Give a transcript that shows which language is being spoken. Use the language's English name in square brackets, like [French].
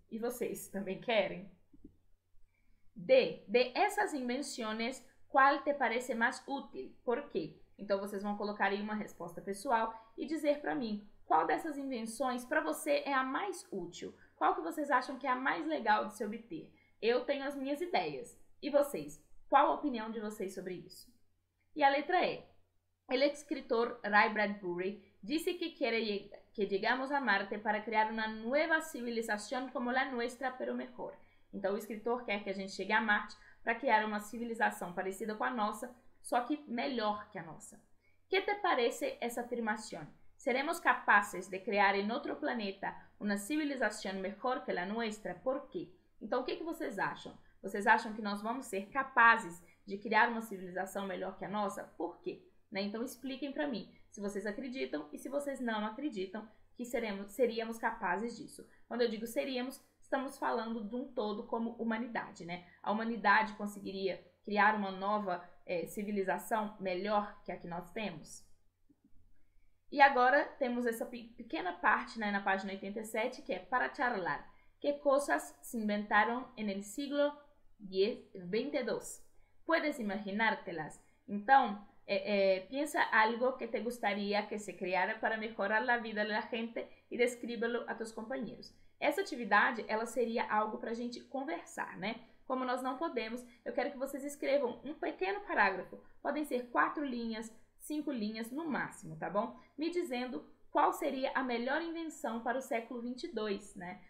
[Portuguese] E vocês também querem? De essas invenções, qual te parece mais útil? Por quê? Então vocês vão colocar aí uma resposta pessoal e dizer para mim qual dessas invenções para você é a mais útil? Qual que vocês acham que é a mais legal de se obter? Eu tenho as minhas ideias. E vocês? Qual a opinião de vocês sobre isso? E a letra E. [Spanish] El escritor Ray Bradbury [Portuguese] disse [Spanish] que quiere que llegamos a Marte para criar una nueva civilización como la nuestra, pero mejor. [Portuguese] Então o escritor quer que a gente chegue a Marte para criar uma civilização parecida com a nossa, só que melhor que a nossa. [Spanish] ¿Qué te parece esa afirmación? ¿Seremos capaces de crear en otro planeta una civilización mejor que la nuestra? ¿Por qué? [Portuguese] Então o que que vocês acham? Vocês acham que nós vamos ser capazes de criar uma civilização melhor que a nossa? Por quê? Né? Então expliquem para mim se vocês acreditam e se vocês não acreditam que seríamos capazes disso. Quando eu digo seríamos, estamos falando de um todo como humanidade. Né? A humanidade conseguiria criar uma nova civilização melhor que a que nós temos? E agora temos essa pequena parte, né, na página 87, que é para charlar. [Spanish] ¿Qué cosas se inventaron en el siglo XXII? ¿Puedes imaginártelas? [Portuguese] Então, [Spanish] piensa algo que te gustaría que se creara para mejorar la vida de la gente y descríbelo a tus compañeros. [Portuguese] Essa atividade, ela seria algo para a gente conversar, né? Como nós não podemos, eu quero que vocês escrevam um pequeno parágrafo. Podem ser 4 linhas, 5 linhas, no máximo, tá bom? Me dizendo qual seria a melhor invenção para o século 22, né?